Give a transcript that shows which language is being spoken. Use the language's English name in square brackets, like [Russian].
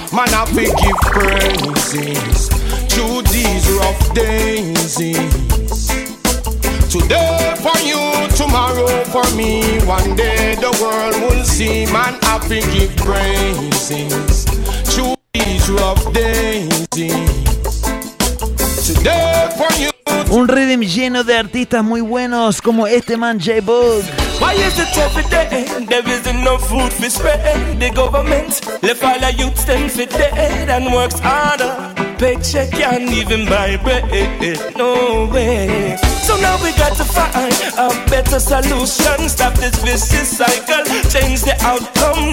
[English] Man have to give praises to these rough days. Today for you, tomorrow for me. One day the world will see. Man, I think give praises to these rough days. Today for you. [Spanish] Un rhythm lleno de artistas muy buenos como este man J Bug. [English] Why is it every day there isn't no food for spread? The government left all the youths them for dead and works harder. Paycheck can't even buy bread. No way. So now we got to find a better solution. Stop this vicious cycle. Change the outcome.